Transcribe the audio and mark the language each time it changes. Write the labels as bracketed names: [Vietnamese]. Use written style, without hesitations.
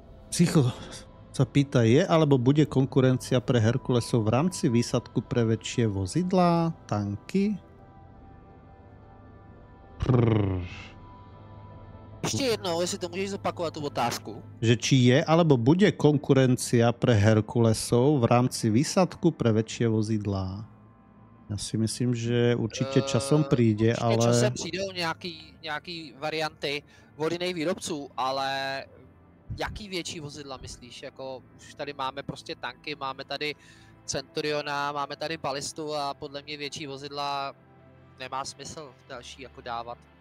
[Slovak] Psycho sa pýta, je alebo bude konkurencia pre Herkulesov v rámci výsadku pre väčšie vozidlá, tanky? [Czech] Ještě jednou, jestli to můžeš zopakovat tu otázku. [Slovak] Že či je, alebo bude konkurencia pre Herkulesov v rámci výsadku pre väčšie vozidlá? [Czech] Já si myslím, že určitě časom přijde, ale... Určitě časem přijdou nějaký varianty od jiných výrobců, ale jaký větší vozidla myslíš? Jako už tady máme prostě tanky, máme tady Centuriona, máme tady Balistu a podle mě větší vozidla nemá smysl další jako dávat.